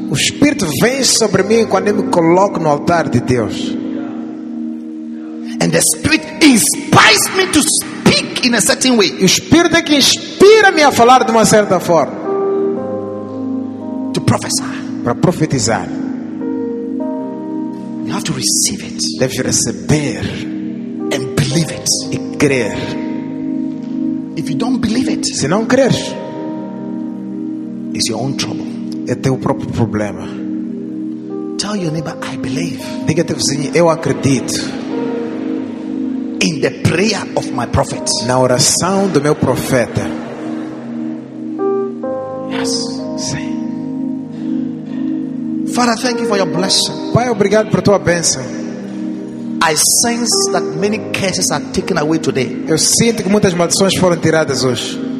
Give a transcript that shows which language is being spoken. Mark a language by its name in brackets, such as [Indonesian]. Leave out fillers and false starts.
[Portuguese] O espírito vem sobre mim quando eu me coloco no altar de Deus. [English] And the spirit inspires me to speak in a certain way. [Portuguese] O espírito é que inspira-me a falar de uma certa forma. [English] To prophesy. [Portuguese] Para profetizar. [English] You have to receive it. [Portuguese] Deve receber. [English] And believe it. [Portuguese] E crer. [English] If you don't believe it, [Portuguese] se não creres, [English] it's your own trouble. [Portuguese] É teu próprio problema. [English] Tell your neighbor, "I believe." [Portuguese] Diga ao teu vizinho, "Eu acredito." [English] In the prayer of my prophet. [Portuguese] Na oração do meu profeta. [English] Yes. [Portuguese] Sim. [English] Father, thank you for your blessing. [Portuguese] Pai, obrigado por tua bênção. [English] I sense that many curses are taken away today. [Portuguese] Eu sinto que muitas maldições foram tiradas hoje.